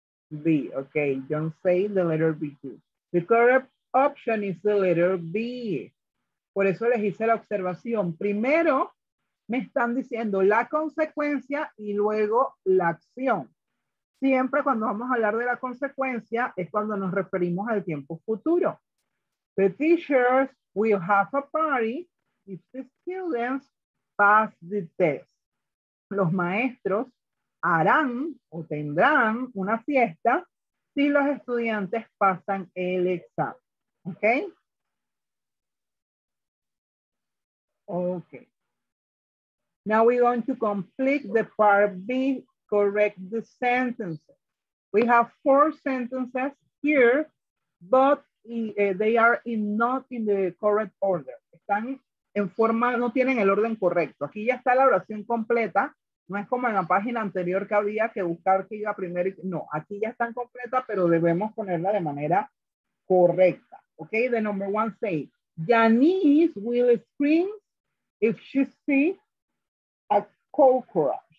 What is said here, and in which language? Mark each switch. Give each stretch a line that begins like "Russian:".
English: B, okay. John, say the letter B too. The correct option is the letter B.
Spanish: Por eso les hice la observación. Primero, me están diciendo la consecuencia y luego la acción. Siempre cuando vamos a hablar de la consecuencia es cuando nos referimos al tiempo futuro.
English: The teachers will have a party if the students pass the test.
Spanish: Los maestros harán o tendrán una fiesta si los estudiantes pasan el examen. ¿Ok? Ok.
English: Now we're going to complete the part B, correct the sentences. We have four sentences here, but they are in not in the correct order.
Spanish: Están en forma, no tienen el orden correcto. Aquí ya está la oración completa. No es como en la página anterior que había que buscar que iba primero. No, aquí ya están completas, pero debemos ponerla de manera correcta. Okay,
English: the number one says, Janice will scream if she sees a cockroach.